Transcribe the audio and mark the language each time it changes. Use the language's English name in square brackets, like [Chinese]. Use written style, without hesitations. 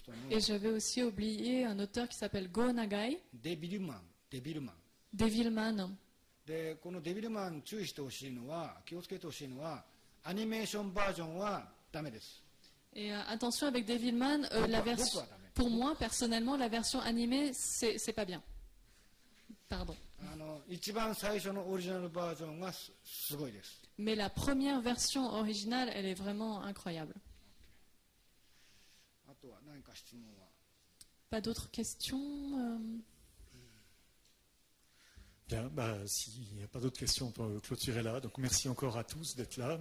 [French] Et j'avais aussi oublié un auteur qui s'appelle Go Nagai. Devilman. [Japanese] で、このデビルマン注意してほしいのは、気をつけてほしいのは、アニメーションバージョンはダメです。 [French] え、attention avec Devilman, la version pour moi personnellement la version animée c'est pas bien. Pardon. [Japanese] あの、一番最初のオリジナルバージョンがすごいです。 [French] Mais la première version originale, elle est vraiment incroyable. [Japanese] あとは何か質問は？ [French] Pas d'autres questions? Bien, bah, s'il n'y a pas d'autres questions, on peut clôturer là. Donc, merci encore à tous d'être là.